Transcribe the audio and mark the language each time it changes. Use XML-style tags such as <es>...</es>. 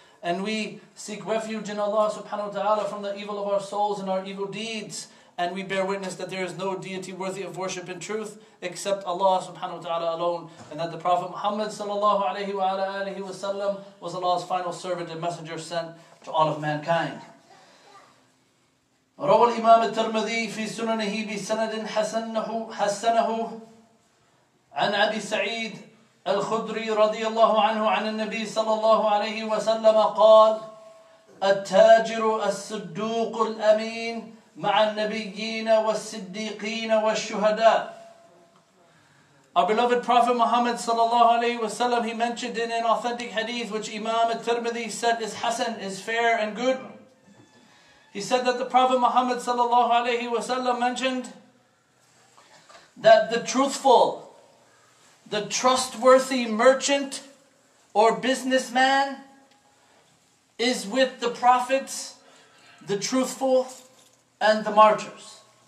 <en>And we seek refuge in Allah subhanahu wa ta'ala from the evil of our souls and our evil deeds. And we bear witness that there is no deity worthy of worship in truth except Allah subhanahu wa ta'ala alone, and that the Prophet Muhammad sallallahu alayhi wa alayhi wa sallam was Allah's final servant and messenger sent to all of mankind.</en> <ar>رواه الإمام الترمذي في سننه بسند حسنه عن أبي سعيد الخدري رضي الله عنه عن النبي sallallahu alayhi wa sallam قال: التاجر الصدوق الأمين مع النبيين والصديقين والشهداء.</ar> <en>Our beloved Prophet Muhammad sallallahu alayhi wa sallam, he mentioned in an authentic hadith which Imam al-Tirmidhi said is hasan, is fair and good. He said that the Prophet Muhammad sallallahu alayhi wa sallam mentioned that the truthful, the trustworthy merchant or businessman is with the prophets, the truthful, and the martyrs.</en>